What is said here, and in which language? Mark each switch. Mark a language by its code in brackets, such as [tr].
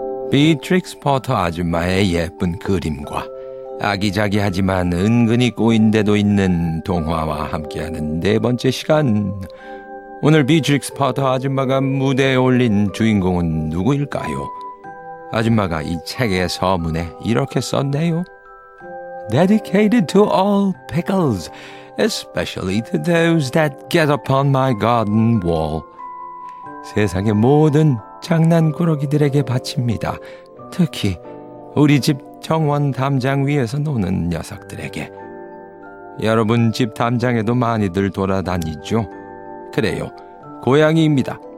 [ko] 비트릭스 포터 아줌마의 예쁜 그림과 아기자기하지만 은근히 꼬인데도 있는 동화와 함께하는 네 번째 시간. 오늘 비트릭스 파터 아줌마가 무대에 올린 주인공은 누구일까요? 아줌마가 이 책의 서문에 이렇게 썼네요. [en] Dedicated to all pickles, especially to those that get upon my garden wall. [ko] 세상의 모든 장난꾸러기들에게 바칩니다. 특히 우리 집 정원 담장 위에서 노는 녀석들에게. 여러분 집 담장에도 많이들 돌아다니죠? 그래요. 고양이입니다.